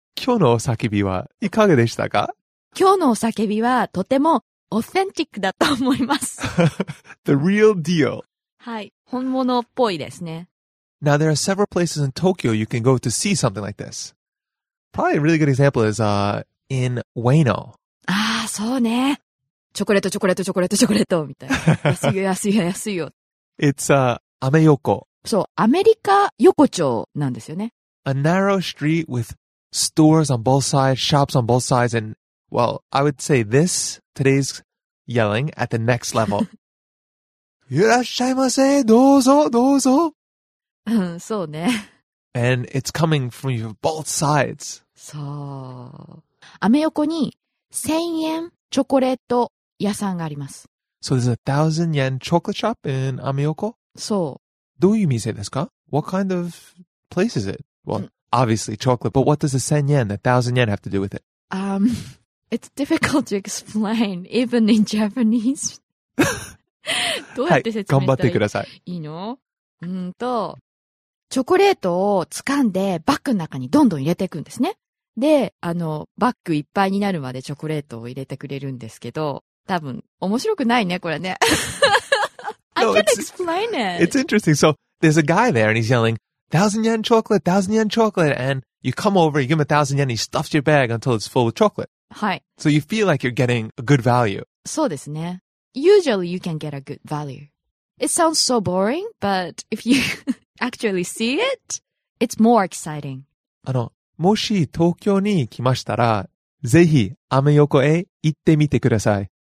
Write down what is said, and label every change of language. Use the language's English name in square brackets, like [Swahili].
[Japanese] 今日のお叫びはいかがでしたか今日のお叫びはとてもオーセンティックだと思います。 [English] The real deal. [Japanese] はい、本物っぽいですね。 [English] Now, there are several places in Tokyo you can go to see something like this. Probably a really good example is, in Ueno. [Japanese] Ah, so, ne. Chocolate, chocolate, chocolate, chocolate, みたいな。安いよ、安いよ、安いよ。 [English] It's, Ameyoko. [Japanese] そう、アメリカ横丁なんですよね。 [English] A narrow street with stores on both sides, shops on both sides, and, well, I would say this, today's yelling, at the next level. [Japanese] いらっしゃいませ、どうぞ、どうぞ。うん、そうね。 [English] And it's coming from your both sides. [Japanese] そう。アメ横に1000円チョコレート屋さんがあります。 [English] So there's a 1000 yen chocolate shop in アメ横? [Japanese] そう。どういう店ですか? [English] What kind of place is it? Well, obviously chocolate, but what does the 1000 yen, the 1000 yen have to do with it? It's difficult to explain, even in Japanese. [Japanese] どうやって説明したらいいの?チョコレートを掴んでバッグの中にどんどん入れていくんですね。で、バッグいっぱいになるまでチョコレートを入れてくれるんですけど、多分面白くないね、これね。 [English] No, I can't explain it. It's interesting. So there's a guy there and he's yelling, 1000 yen chocolate, 1000 yen chocolate. And you come over, you give him 1000 yen, he stuffs your bag until it's full of chocolate. [Japanese] はい。 [English] So you feel like you're getting a good value. [Japanese] そうですね。 [English] Usually you can get a good value. It sounds so boring, but if you actually see it, it's more exciting. [Japanese] もし東京に来ましたら、ぜひアメ横へ行ってみてください。